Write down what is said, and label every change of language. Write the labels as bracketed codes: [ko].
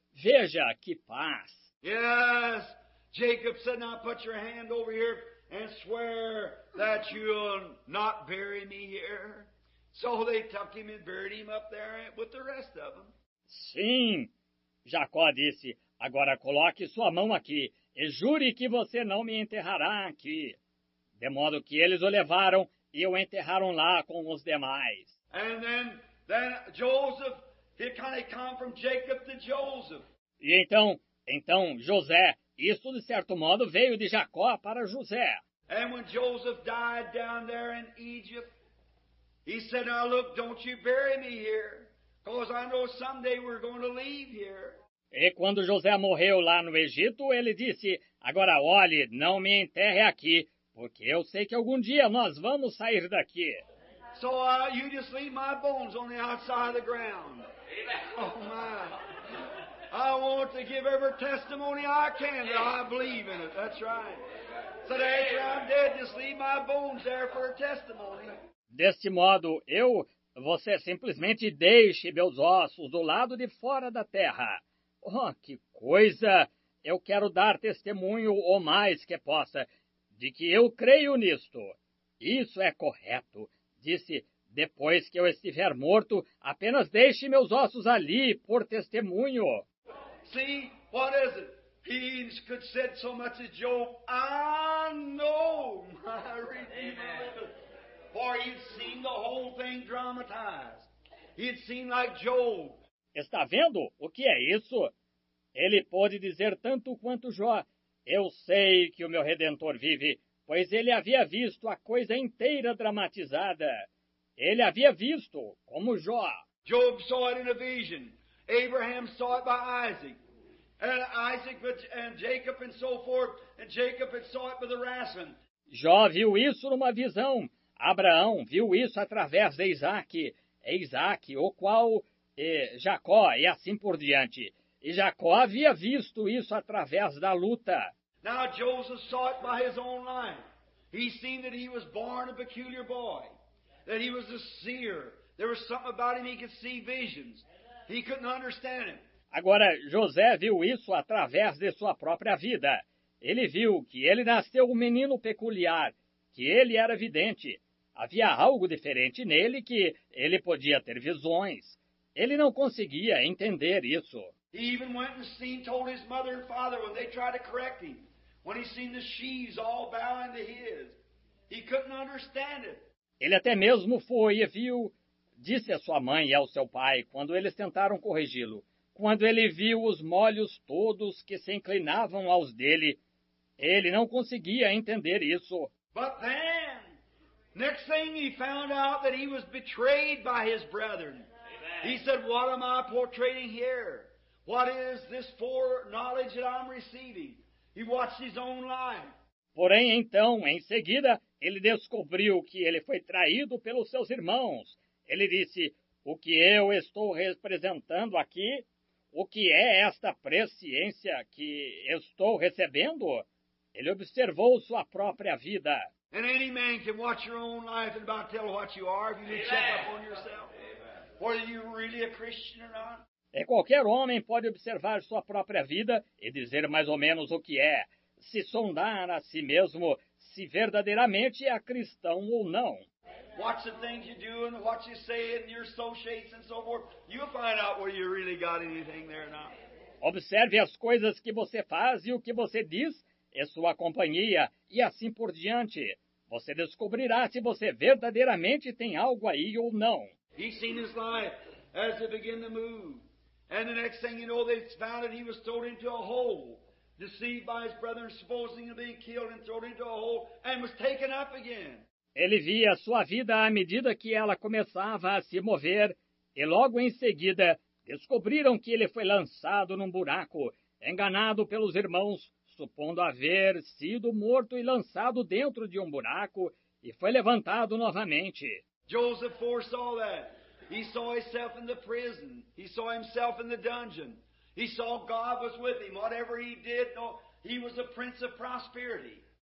[pt] Veja que paz. [en] Yes, Jacob said, now put your hand over here and swear that you'll not bury me here. So they took him and buried him up there with the rest of them. [pt] Sim, Jacó disse, agora coloque sua mão aqui e jure que você não me enterrará aqui. De modo que eles o levaram e o enterraram lá com os demais. [en] And then Joseph, he kind of come from Jacob to Joseph. [pt] E então José, isto de certo modo veio de Jacó para José. [en] And when Joseph died down there in Egypt, he said, now look, don't you bury me here. Because I know someday we're going to leave here. [pt] E quando José morreu lá no Egito, ele disse, agora olhe, não me enterre aqui, porque eu sei que algum dia nós vamos sair daqui. [en] So you just leave my bones on the outside of the ground. Amen. Oh, my. I want to give every testimony I can that I believe in it. That's right. So that after I'm dead, just leave my bones there for a testimony. [pt] Deste modo, você simplesmente deixe meus ossos do lado de fora da terra. Oh, que coisa! Eu quero dar testemunho o mais que possa de que eu creio nisto. Isso é correto. Disse, depois que eu estiver morto, apenas deixe meus ossos ali por testemunho. [en] See, what is it? He could say so much as Job, I know my Redeemer. For he'd seen the whole thing dramatized. He'd seen like Job. [pt] Está vendo? O que é isso? Ele pôde dizer tanto quanto Jó. Eu sei que o meu Redentor vive, pois ele havia visto a coisa inteira dramatizada. Ele havia visto, como Jó. [en] Job saw it in a vision. Abraham saw it by Isaac. And Isaac and Jacob and so forth. And Jacob had saw it by the Rassan. [pt] Jó viu isso numa visão. Abraão viu isso através de Isaac, o qual Jacó, e assim por diante. E Jacó havia visto isso através da luta. [en] Now Joseph saw it by his own life. He seen that he was born a peculiar boy, that he was a seer. There was something about him he could see visions. He couldn't understand it. [pt] Agora, José viu isso através de sua própria vida. Ele viu que ele nasceu um menino peculiar, que ele era vidente. Havia algo diferente nele que ele podia ter visões. Ele não conseguia entender isso. [en] He even went and seen, told his mother and father when they tried to correct him. When he seen the sheaves all bowing to his. He couldn't understand it. [pt] Ele até mesmo foi e viu, disse a sua mãe e ao seu pai, quando eles tentaram corrigi-lo. Quando ele viu os molhos todos que se inclinavam aos dele, ele não conseguia entender isso. [en] But then, next thing he found out that he was betrayed by his brethren. Amen. He said, what am I portraying here? What is this foreknowledge that I'm receiving? He watched his own life. [pt] Porém, então, em seguida, ele descobriu que ele foi traído pelos seus irmãos. Ele disse, o que eu estou representando aqui? O que é esta presciência que estou recebendo? Ele observou sua própria vida. [en] And any man can watch your own life and about tell what you are if you didn't check up on yourself. Amen. Whether you're really a Christian or not. [pt] E qualquer homem pode observar sua própria vida e dizer mais ou menos o que é, se sondar a si mesmo, se verdadeiramente é cristão ou não. Amen. [en] Watch the things you do and what you say and your associates and so forth. You'll find out whether you really got anything there or not. [pt] Observe as coisas que você faz e o que você diz e sua companhia e assim por diante. Você descobrirá se você verdadeiramente tem algo aí ou não. [en] He seen his life as it began to move. And the next thing you know, they found that he was thrown into a hole, deceived by his brethren, supposing to be killed and thrown into a hole, and was taken up again. [pt] Ele via sua vida à medida que ela começava a se mover, e logo em seguida descobriram que ele foi lançado num buraco, enganado pelos irmãos, supondo haver sido morto e lançado dentro de um buraco, e foi levantado novamente. [en] Joseph foresaw that. He saw himself in the prison. He saw himself in the dungeon. He saw God was with him. Whatever he did, he was a prince of prosperity.